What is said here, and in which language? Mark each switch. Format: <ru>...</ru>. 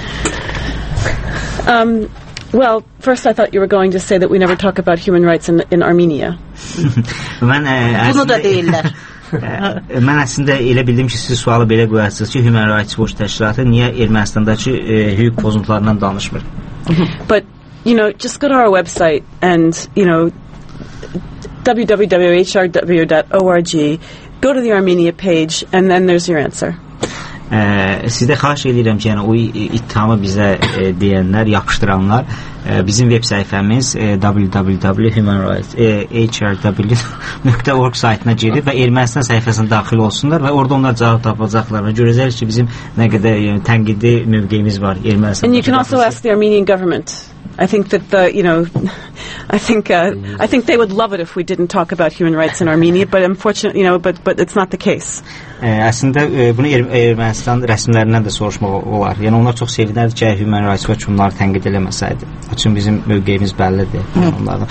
<en>Well, first I thought you were going to say that we never talk about human rights in Armenia.</en> <az>Bunu da deyirlər. Mən əslində elə bildim ki, siz sualı belə qoyarsınız ki, Human Rights Watch təşkilatı niyə Ermənistandakı hüquq pozuntularından danışmır?</az> <en>But, you know, just go to our website and, you know, www.hrw.org, go to the Armenia page and then there's your answer.</en> <az>Sizdə xahiş edirəm ki, yəni o ittihamı bizə deyənlər, yapışdıranlar bizim web səhifəmiz www.humanrights.hrw.org saytına girib və Ermənistan səhifəsinə daxil olsunlar və orada onlar cavab tapacaqlar və görəcəklər ki, bizim nə qədər yəni, tənqidi mövqeyimiz var Ermənistan.</az> <en>And you can also ask the Armenian government. I think that the, you know, I think they would love it if we didn't talk about human rights in Armenia, but unfortunately, you know, but it's not the case.</en> <az>Əslində bunu Ermənistan rəsmilərindən də soruşmaq olar. Yəni onlar çox sevinərdi ki, Human Rights Watch bunları tənqid eləməsəydi. Üçün bizim mövqeyimiz bəllidir onlardan.</az>